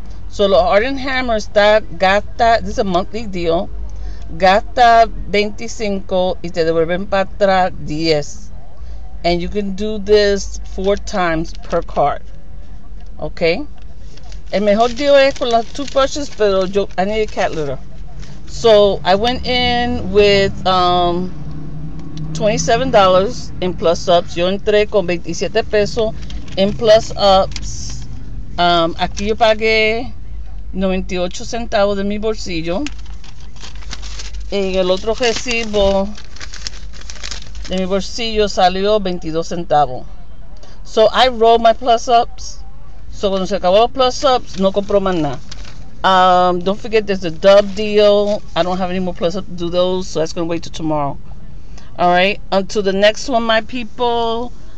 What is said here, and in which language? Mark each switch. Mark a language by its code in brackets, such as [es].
[en] So the Art and Hammer [es] está gasta, [en] this is a monthly deal. [es] Gasta 25 y te devuelven para atrás 10. [en] And you can do this 4 times per card. Okay? [es] El mejor deal es con las toothbrushes, pero yo, [en] I need a cat litter. So I went in with $27 in plus ups. [es] Yo entré con 27 pesos [en] in plus ups. [es] Aquí yo pagué 98 centavos de mi bolsillo. En el otro recibo de mi bolsillo salió 22 centavos. [en] So I rolled my plus ups. So [es] cuando se acabó los plus ups, no compró más nada. [en] Don't forget there's a dub deal. I don't have any more plus up to do those, so that's gonna wait till tomorrow. All right, until the next one, my people.